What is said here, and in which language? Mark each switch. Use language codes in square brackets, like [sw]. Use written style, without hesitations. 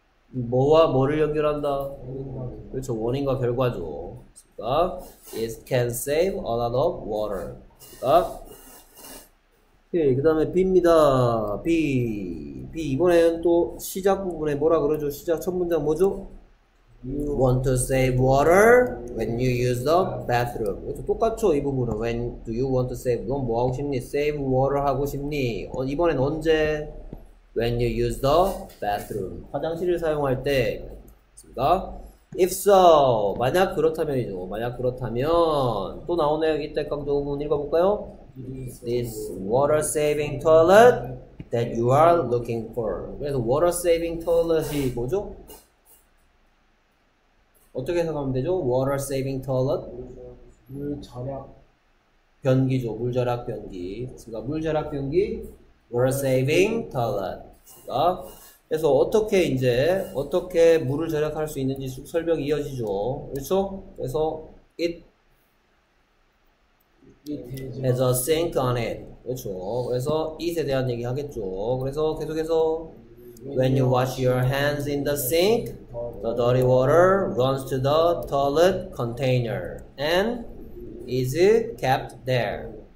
[ko] 뭐와 뭐를 연결한다? 그렇죠. 원인과 결과죠. [en] 그러니까, it can save a lot of water. 그러니까, 오케이. [ko] 그 다음에 B입니다. B. B. 이번에는 또 시작 부분에 뭐라 그러죠? 시작 첫 문장 뭐죠? [en] You want to save water when you use the bathroom. [ko] 그렇죠. 똑같죠, 이 부분은. When do you want to save? 넌 뭐 하고 싶니? [en] Save water 하고 싶니? 이번엔 언제? When you use the bathroom. [ko] 화장실을 사용할 때. 맞습니다. If so. 만약 그렇다면이죠. 만약 그렇다면. 또 나오네요. 이때 강조 부분 읽어볼까요? [en] This water saving toilet that you are looking for. [ko] 그래서 water saving toilet이 뭐죠? 어떻게 생각하면 되죠? Water saving toilet. 물 절약. 변기죠. 물 절약 변기. 그러니까 물 절약 변기. [en] Water saving toilet. [ko] 그러니까 그래서 어떻게 이제, 어떻게 물을 절약할 수 있는지 설명이 이어지죠. 그렇죠? 그래서 [en] it has a sink on it. 그렇죠. [ko] 그래서 it에 대한 얘기 하겠죠. [en] 그래서 계속해서 When you wash your hands in the sink, the dirty water runs to the toilet container and is kept there.